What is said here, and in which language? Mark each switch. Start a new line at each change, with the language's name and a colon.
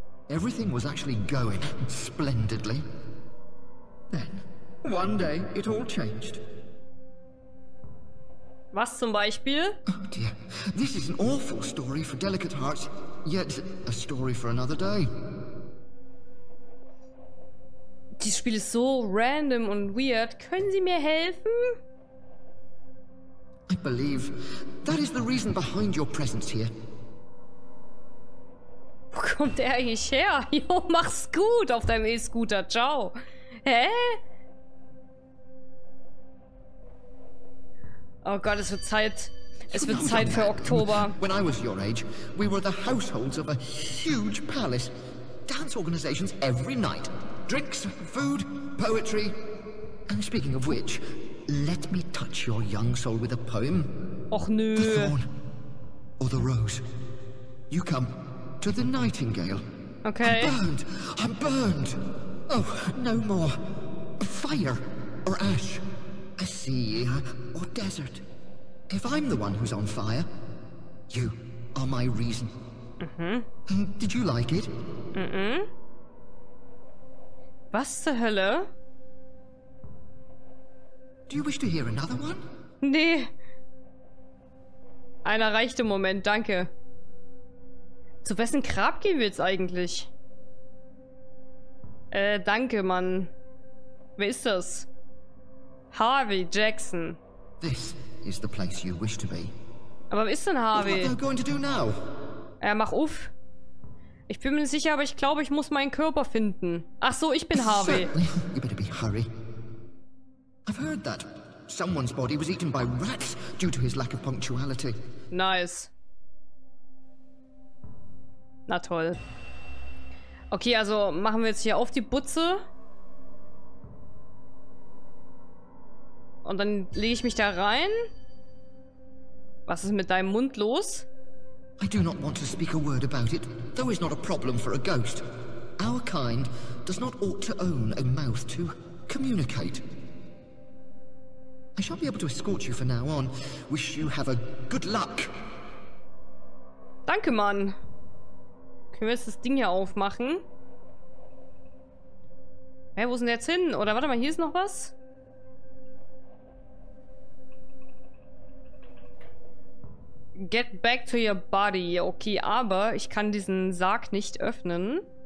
English: Everything was actually going splendidly. Then, one day, it all changed.
German: Was zum Beispiel?
English: Oh dear, this is an awful story for delicate hearts, yet a story for another day.
German: Dieses Spiel ist so random und weird. Können Sie mir helfen?
English: I believe that is the reason behind your presence here.
German: Wo kommt der eigentlich her? Jo, mach's gut auf deinem E-Scooter. Ciao. Hä? Oh Gott, es wird Zeit. Es wird Zeit für Oktober.
English: When I was your age, we were the households of a huge palace. Dance organizations every night. Drinks, food, poetry. And speaking of which, let me touch your young soul with a poem.
German: Och nö.
English: The thorn or the rose. You come to the nightingale. Okay. I'm burned. Oh, no more. Fire or ash. A sea or desert. If I'm the one who's on fire, you are my reason. Mhm. Did you like it? Mhm.
German: Was zur Hölle?
English: Do you wish to hear another one?
German: Nee. Einer reicht im Moment, danke. Zu wessen Grab gehen wir jetzt eigentlich? Danke, Mann. Wer ist das? Harvey Jackson.
English: This is the place you wish to be.
German: Aber wer ist denn Harvey?
English: What are you going to do now?
German: Mach uff. Ich bin mir nicht sicher, aber ich glaube, ich muss meinen Körper finden. Ach so, ich bin Harvey.
English: You better be hurry. I've heard that someone's body was eaten by rats due to his lack of punctuality. Nice.
German: Na toll. Okay, also machen wir jetzt hier auf die Butze. Und dann lege ich mich da rein. Was ist mit deinem Mund los?
English: I do not want to speak a word about it, though it's not a problem for a ghost. Our kind does not ought to own a mouth to communicate. I shall be able to escort you from now on. Wish you have a good luck.
German: Danke, Mann. Können wir jetzt das Ding hier aufmachen? Hä, wo ist denn jetzt hin? Oder warte mal, hier ist noch was?
English: Get back to your body.
German: Okay, aber ich kann diesen Sarg nicht öffnen.